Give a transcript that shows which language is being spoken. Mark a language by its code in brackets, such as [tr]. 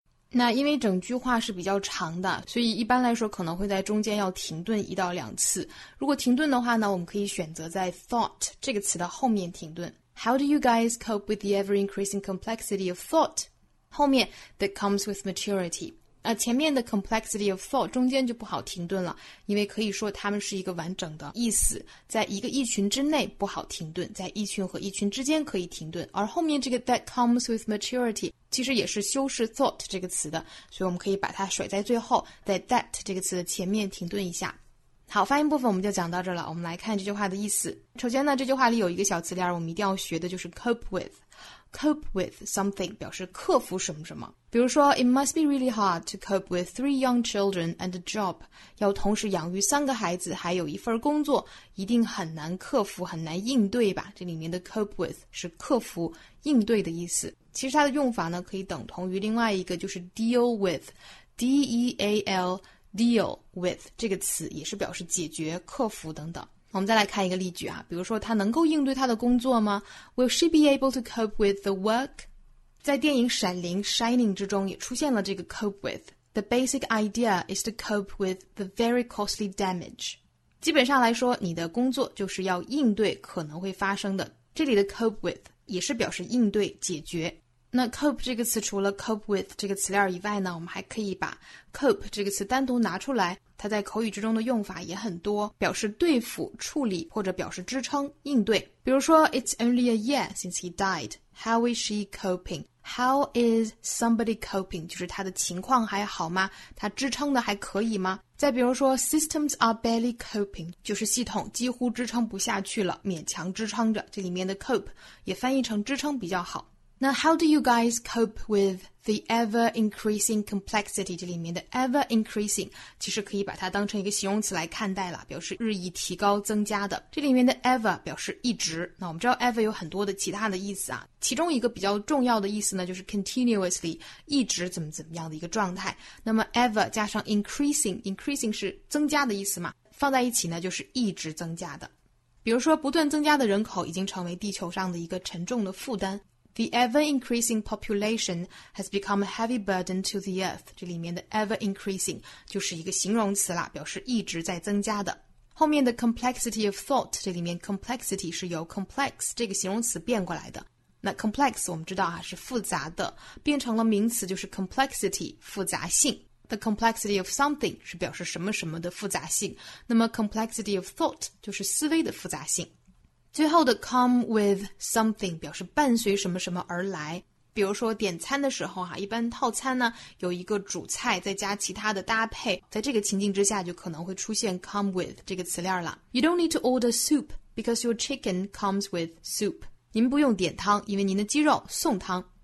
[zh] 那因为整句话是比较长的，所以一般来说可能会在中间要停顿一到两次。如果停顿的话呢，我们可以选择在 thought 这个词的后面停顿。 [en] How do you guys cope with the ever-increasing complexity of thought? [zh] 后面 [en] that comes with maturity. [zh] 那前面的 [en] complexity of thought [zh] 中间就不好停顿了，因为可以说它们是一个完整的意思，在一个意群之内不好停顿，在意群和意群之间可以停顿。而后面这个 [en] that comes with maturity [zh] 其实也是修饰 thought 这个词的，所以我们可以把它甩在最后，在 that 这个词的前面停顿一下。好，发音部分我们就讲到这了。我们来看这句话的意思。首先呢，这句话里有一个小词链，我们一定要学的就是 cope with。 [en] Cope with something [zh] 表示克服什么什么。 [en] 比如说 ，It must be really hard to cope with 3 young children and a job. [zh] 要同时养育三个孩子，还有一份工作，一定很难克服，很难应对吧？这里面的 cope with 是克服、应对的意思。其实它的用法呢，可以等同于另外一个，就是 deal with， D-E-A-L。 Deal with 这个词也是表示解决、克服等等。我们再来看一个例句啊，比如说他能够应对他的工作吗 ？ [en] Will she be able to cope with the work？ [zh] 在电影《闪灵》（Shining） 之中也出现了这个 cope with。 [en] The basic idea is to cope with the very costly damage。 [zh] 基本上来说，你的工作就是要应对可能会发生的。这里的 cope with 也是表示应对、解决。那 cope 这个词除了 cope with 这个词链以外呢，我们还可以把 cope 这个词单独拿出来，它在口语之中的用法也很多，表示对付、处理或者表示支撑、应对。 [en] 比如说 ，It's only a year since he died. How is she coping? How is somebody coping? [zh] 就是他的情况还好吗？他支撑的还可以吗？ [en] 再比如说 ，Systems are barely coping. [zh] 就是系统几乎支撑不下去了，勉强支撑着。这里面的 cope 也翻译成支撑比较好。 [en] 那 how do you guys cope with the ever-increasing complexity? [zh] 这里面的 ever-increasing 其实可以把它当成一个形容词来看待了，表示日益提高、增加的。这里面的 ever 表示一直。那我们知道 ever 有很多的其他的意思啊，其中一个比较重要的意思呢，就是 continuously 一直怎么怎么样的一个状态。那么 ever 加上 increasing 是增加的意思嘛，放在一起呢，就是一直增加的。比如说，不断增加的人口已经成为地球上的一个沉重的负担。 [en] The ever-increasing population has become a heavy burden to the earth. [zh] 这里面的 ever-increasing 就是一个形容词啦，表示一直在增加的。后面的 complexity of thought， 这里面 complexity 是由 complex 这个形容词变过来的。那 complex 我们知道啊，是复杂的，变成了名词就是 complexity， 复杂性。 [en] The complexity of something [zh] 是表示什么什么的复杂性。那么 [en] complexity of thought [zh] 就是思维的复杂性。最后的 [en] come with something [zh] 表示伴随什么什么而来，比如说点餐的时候啊，一般套餐呢有一个主菜再加其他的搭配，在这个情境之下就可能会出现 come with 这个词链了。 [en] You don't need to order soup because your chicken comes with soup. [zh] 您不用点汤，因为您的鸡肉送汤。